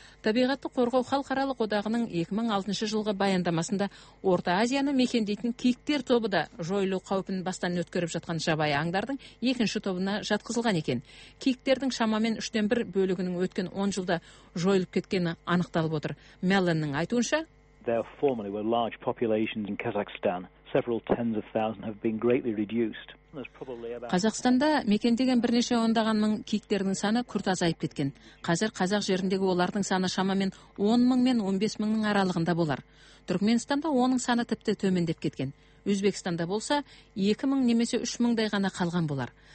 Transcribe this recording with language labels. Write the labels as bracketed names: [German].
[Kazakh] Табиғатты қорғау халықаралық одағының 2006 жылғы баяндамасында Орта Азияны мекендейтін киіктер тобы да жойылу қаупін бастан өткеріп жатқан жабайы аңдардың екінші тобына жатқызылған екен. Киіктердің шамамен 1/3 бөлігінің өткен 10 жылда жойылып кеткені анықталып отыр. Меллонның айтуынша, [English] there formerly were large populations in Kazakhstan. Several tens of thousands have been greatly reduced. [Kazakh] Қазақстанда мекендеген бірнеше ондаған мың киіктердің саны күрт азайып кеткен. Қазір Қазақ жеріндегі олардың саны шамамен 10 мың мен 15 мыңның аралығында болар. Түркменстанда оның саны тіпті төмендеп кеткен. Өзбекстанда болса 2 мың немесе 3 мыңдай ғана қалған болар.